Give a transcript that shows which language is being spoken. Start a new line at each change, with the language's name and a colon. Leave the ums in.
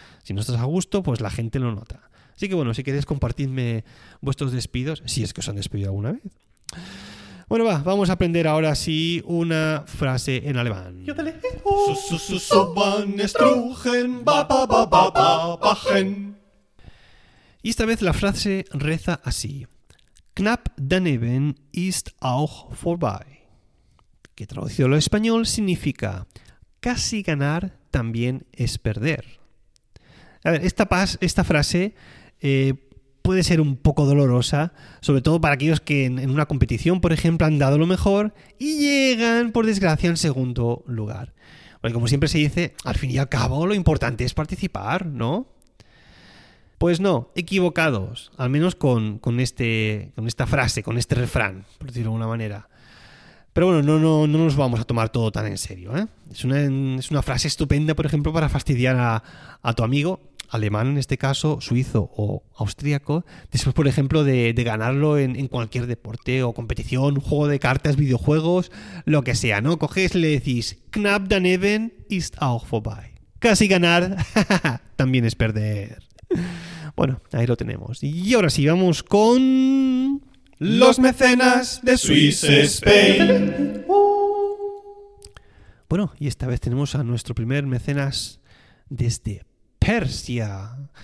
Spanish: Si no estás a gusto, pues la gente lo nota. Así que bueno, si queréis compartidme vuestros despidos, si es que os han despedido alguna vez. Bueno, va, vamos a aprender ahora sí una frase en alemán. Su, su, su, su, van, estrujen, ba, ba, ba, ba, ba, bajen. Y esta vez la frase reza así.
German: Knapp daneben ist auch vorbei.
Spanish: Que traducido al español significa casi ganar también es perder. A ver, esta, pas- esta frase eh, puede ser un poco dolorosa, sobre todo para aquellos que en, en una competición, por ejemplo, han dado lo mejor y llegan, por desgracia, en segundo lugar. Porque como siempre se dice, al fin y al cabo lo importante es participar, ¿no? Pues no, equivocados, al menos con, con este, con esta frase, con este refrán, por decirlo de alguna manera. Pero bueno, no, no, no nos vamos a tomar todo tan en serio. ¿eh? Es, una, es una frase estupenda, por ejemplo, para fastidiar a, a tu amigo, alemán en este caso, suizo o austríaco, después, por ejemplo, de, de ganarlo en, en cualquier deporte o competición, juego de cartas, videojuegos, lo que sea, ¿no? Coges y le decís,
German: Knapp daneben ist auch vorbei.
Spanish: Casi ganar también es perder. Bueno, ahí lo tenemos. Y ahora sí, vamos con... Los mecenas de Swiss Spain. Bueno, y esta vez tenemos a nuestro primer mecenas desde Persia.